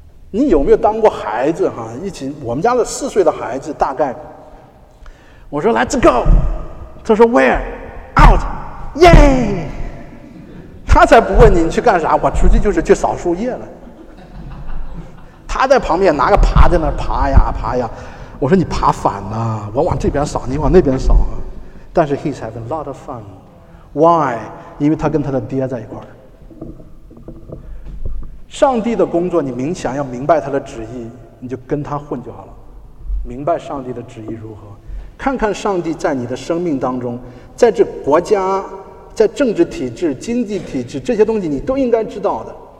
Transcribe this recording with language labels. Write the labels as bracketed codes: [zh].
[zh] 你有没有当过孩子哈？一起，我们家的四岁的孩子大概，我说 [en] Let's go， [zh] 他说 [en] Where， out， yay， [zh] 他才不问 你去干啥，我出去就是去扫树叶了。他在旁边拿个耙在那爬呀爬呀，我说你爬反了，我往这边扫，你往那边扫。 [en] 但是 he's having a lot of fun， why？ [zh] 因为他跟他的爹在一块儿。上帝的工作，你明想要明白他的旨意，你就跟他混就好了。明白上帝的旨意如何？看看上帝在你的生命当中，在这国家、在政治体制、经济体制这些东西，你都应该知道的。